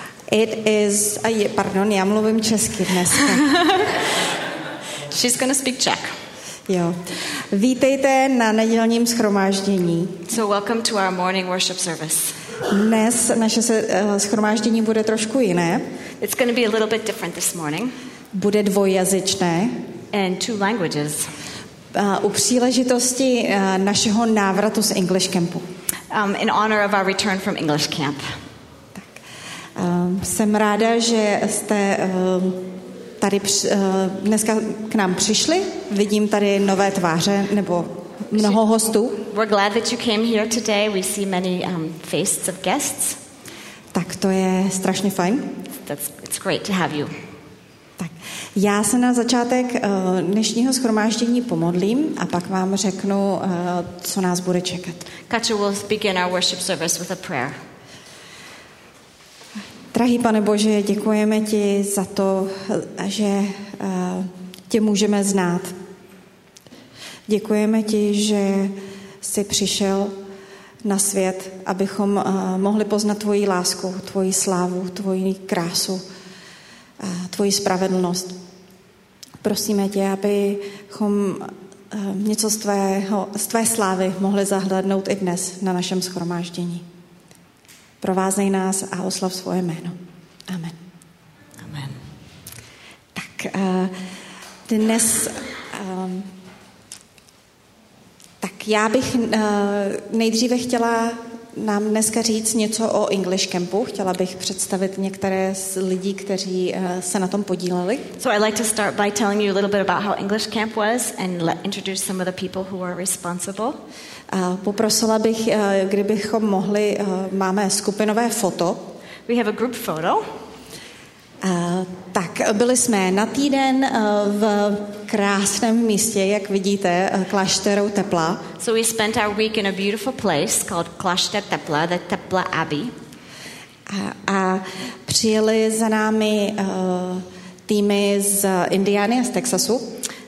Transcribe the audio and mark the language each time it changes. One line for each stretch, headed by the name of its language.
English: It is, pardon,
Czech: já mluvím česky dneska.
English: She's gonna speak Czech.
Czech: Jo. Vítejte na nedělním shromáždění.
English: So welcome to our morning worship service.
Czech: Dnes naše shromáždění bude trošku jiné.
English: It's gonna be a little bit different this morning.
Czech: Bude dvojjazyčné.
English: And two languages.
Czech: U příležitosti našeho návratu z English Campu.
English: In honor of our return from English Camp.
Czech: Tak. Jsem ráda, že jste tady dneska k nám přišli. Vidím tady nové tváře nebo mnoho hostů.
English: We're glad that you came here today. We see many faces of guests.
Czech: Tak to je strašně fajn.
English: It's great to have you.
Czech: Tak, já se na začátek dnešního shromáždění pomodlím a pak vám řeknu, co nás bude čekat.
English: Katja will begin our worship service with a prayer.
Czech: Drahý Pane Bože, děkujeme ti za to, že tě můžeme znát. Děkujeme ti, že jsi přišel na svět, abychom mohli poznat tvoji lásku, tvoji slávu, tvoji krásu, tvoji spravedlnost. Prosíme tě, abychom něco z tvé slávy mohli zahlédnout i dnes na našem shromáždění. Provázej nás a oslav svoje jméno. Amen. Amen. Tak dnes tak já bych nejdříve chtěla nám dneska říct něco o English Campu. Chtěla bych představit některé z lidí, kteří se na tom podíleli.
English: So I'd like to start by telling you a little bit about how English Camp was and introduce some of the people who are responsible.
Czech: Poprosila bych, kdybychom mohli, máme skupinové foto.
English: We have a group photo.
Czech: Tak, byli jsme na týden v krásném místě, jak vidíte, klášteru Tepla.
English: So we spent our week in a beautiful place called Klášter Tepla, the Tepla Abbey.
Czech: A přijeli za námi týmy z Indiany a z Texasu.